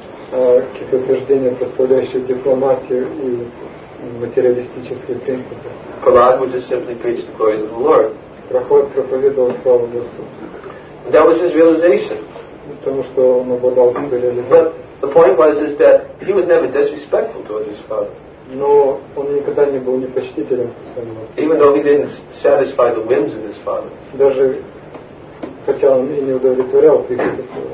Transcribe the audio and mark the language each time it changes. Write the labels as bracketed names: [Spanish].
[Russian] Какие-то утверждения, представляющие дипломатию и материалистические принципы. [English] Prahlad would just simply preach the glories of the Lord. [Russian] Прохлад проповедовал славу Господу. [English] That was his realization. [Russian] Потому что он обладал такой реализацией. [English] But the point was is that he was never disrespectful towards his father. [Russian] Но он никогда не был непочтителем к своему отцу. [English] Even though he didn't satisfy the whims of his father. [Russian] Даже хотя он и не удовлетворял прихоти своего